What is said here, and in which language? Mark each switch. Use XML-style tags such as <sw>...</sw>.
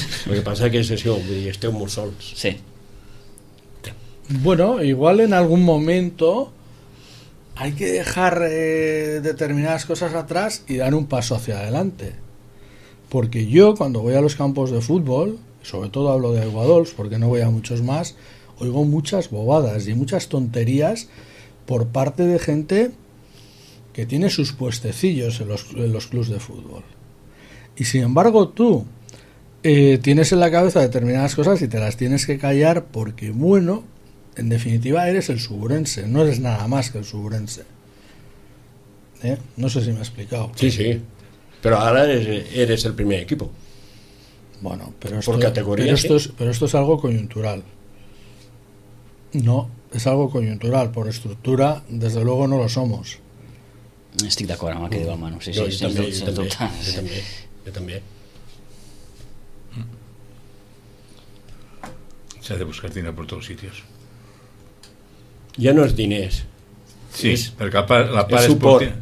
<ca>El que passa és que és això, vull dir, esteu molt sols. Sí.</ca> <es>Bueno, igual</es> <ca>en algun moment</ca> <es>hay que dejar determinadas cosas atrás y dar un paso hacia adelante. Porque yo, cuando voy a los campos de fútbol, sobre todo hablo de Aiguadols, porque no voy a muchos más, oigo muchas bobadas y muchas tonterías por parte de gente que tiene sus puestecillos en los clubs de fútbol. Y sin embargo tú tienes en la cabeza determinadas cosas y te las tienes que callar porque, bueno, en definitiva eres el Suburense, no eres nada más que el Suburense. No sé si me he explicado. Sí, pero ahora eres el primer equipo. Bueno, pero esto, por categoría, pero, esto es, pero esto es algo coyuntural. No, es algo coyuntural. Por estructura, desde luego no lo somos.</es> <ca>Estic d'acord amb el que diu el Manu. Sí, no, sí, jo també. S'ha de buscar diner per tots els sitios. Ja no és diners. Sí, és, perquè la part és suport.</ca>